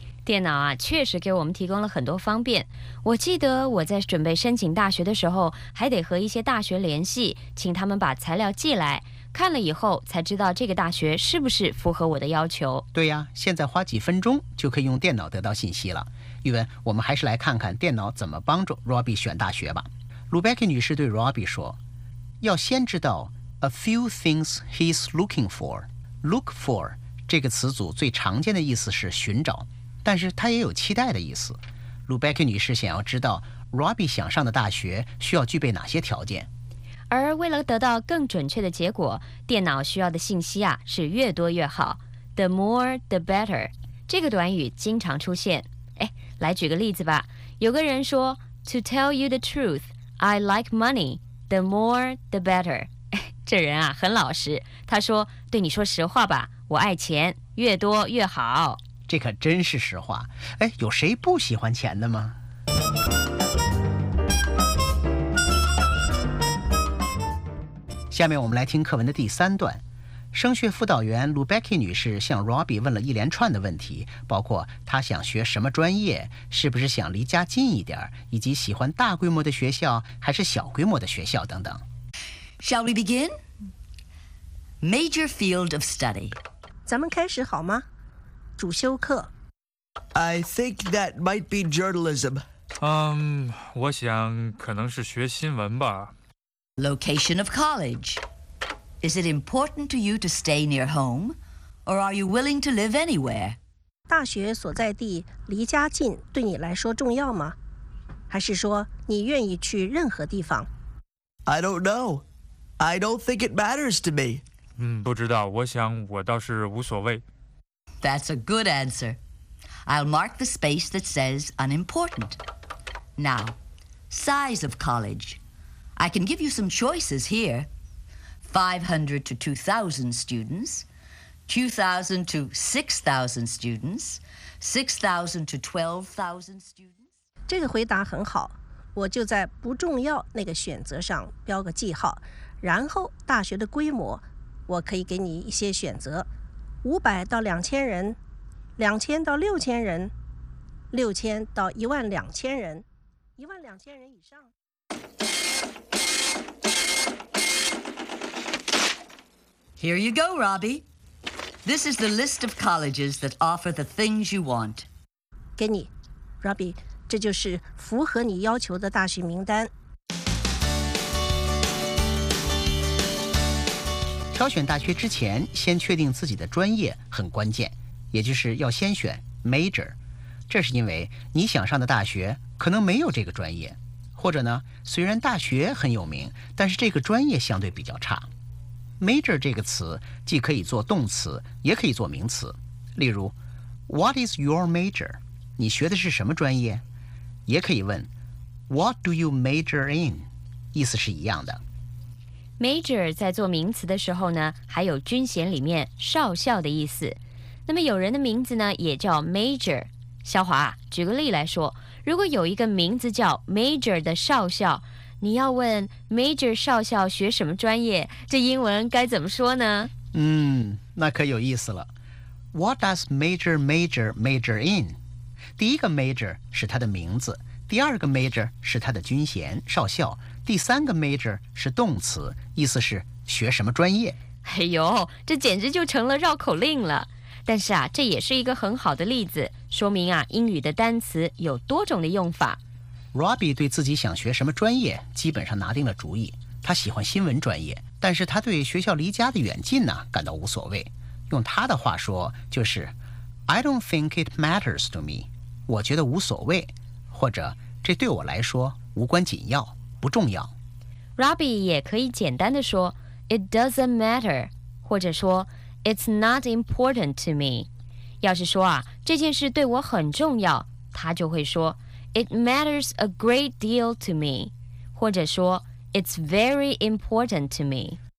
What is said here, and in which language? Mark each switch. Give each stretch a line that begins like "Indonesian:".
Chinese: 电脑啊，确实给我们提供了很多方便。我记得我在准备申请大学的时候，还得和一些大学联系，请他们把材料寄来。看了以后才知道这个大学是不是符合我的要求。对呀，现在花几分钟就可以用电脑得到信息了。玉文，我们还是来看看电脑怎么帮助 Robbie 选大学吧。 Rebecca 女士对 Robbie 说，要先知道
English: a few things he's looking for。
Chinese: look for 这个词组最常见的意思是寻找，但是它也有期待的意思。 Rebecca 女士想要知道 Robbie 想上的大学需要具备哪些条件。而为了得到更准确的结果，电脑需要的信息啊是越多越好。
English: The more the better
Chinese: 这个短语经常出现。哎，来举个例子吧。有个人说
English: To tell you the truth, I like money. The more, the better.
Chinese: 这人啊很老实，他说对你说实话吧，我爱钱，越多越好。这可真是实话。哎，有谁不喜欢钱的吗？下面我们来听课文的第三段。升学辅导员 Rebecca 女士向 Robbie 问了一连串的问题，包括她想学什么专业，是不是想离家近一点，以及喜欢大规模的学校还是小规模的学校等等。
English: Shall we begin? Major field of study.
Chinese: 咱们开始好吗？主修课。
English: I think that might be journalism.
Chinese: 我想可能是学新闻吧。
English: Location of college. Is it important to you to stay near home, or are you willing to live anywhere?
Chinese: 大学所在地离家近对你来说重要吗？还是说你愿意去任何地方？
English: I don't know. I don't think it matters to me.
Chinese: 不知道，我想我倒是无所谓。
English: That's a good answer. I'll mark the space that says unimportant. Now, size of college. I can give you some choices here. 500 to 2,000 students, 2,000 to 6,000 students, 6,000 to 12,000 students.
Chinese: 这个回答很好，我就在不重要那个选择上标个记号，然后大学的规模，我可以给你一些选择，500到2000人，2000到6000人，6000到12000人，12000人以上。
English: Here you go, Robbie. This is the list of colleges that offer the things you want.
Chinese: 给你 ，Robbie， 这就是符合你要求的大学名单。挑选大学之前，先确定自己的专业很关键，也就是要先选 major。这是因为你想上的大学可能没有这个专业，或者呢，虽然大学很有名，但是这个专业相对比较差。 Major 这个词既可以做动词，也可以做名词。例如
English: ，What is your major？
Chinese: 你学的是什么专业？也可以问
English: ，What do you major in？
Chinese: 意思是一样的。 Major 在做名词的时候呢，还有军衔里面少校的意思。那么有人的名字呢，也叫 Major。肖华，举个例来说，如果有一个名字叫 Major 的少校。你要问 Major 少校学什么专业，这英文该怎么说呢？那可有意思了。
English: What does Major Major Major in?
Chinese: 第一个 Major 是他的名字，第二个 Major 是他的军衔少校，第三个 Major 是动词，意思是学什么专业。哎呦，这简直就成了绕口令了。但是啊，这也是一个很好的例子，说明啊，英语的单词有多种的用法。 Robbie 对自己想学什么专业基本上拿定了主意，他喜欢新闻专业，但是他对学校离家的远近呢感到无所谓。用他的话说，就是
English: I don't think it matters to me.
Chinese: 我觉得无所谓，或者这对我来说无关紧要，不重要。 Robbie 也可以简单地说
English: It doesn't matter，
Chinese: 或者说
English: It's not important to me。
Chinese: 要是说啊，这件事对我很重要，他就会说
English: It matters a great deal to me，
Chinese: 或者说
English: It's very important to me。